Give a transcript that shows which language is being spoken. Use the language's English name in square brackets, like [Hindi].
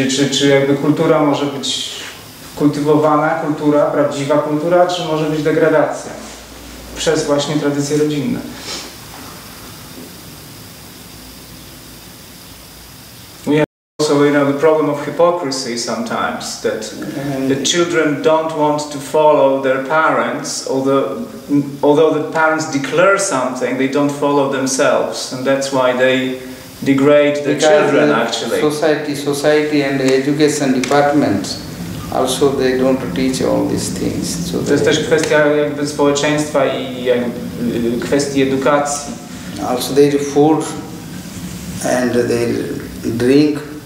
[Polish] Czy jakby kultura może być kultywowana, kultura, prawdziwa kultura, czy może być degradacja przez właśnie tradycje rodzinne? [English] So you know the problem of hypocrisy sometimes that the children don't want to follow their parents, although the parents declare something, they don't follow themselves, and that's why they degrade the children. Actually, society and the education department also they don't teach all these things. [Polish] So to jest też kwestia jakby społeczeństwa i kwestii edukacji. [English] Also their food and their drink.